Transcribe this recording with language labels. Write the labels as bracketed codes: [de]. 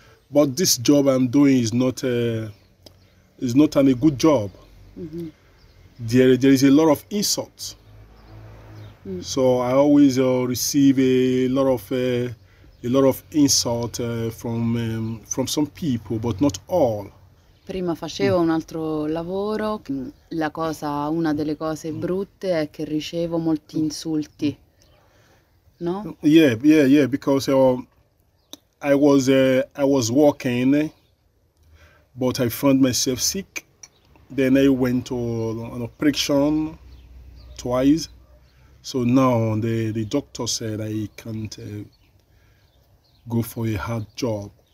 [en] But this job I'm doing is not a good job. there is a lot of insults. So I always receive a lot of insult from some people, but not all. [it] Prima facevo un altro lavoro, la cosa, una delle cose brutte è che ricevo molti insulti, no? [en] Yeah, because I was working, but I found myself sick. Then I went to an operation twice. So now the doctor said I can't go for a hard job.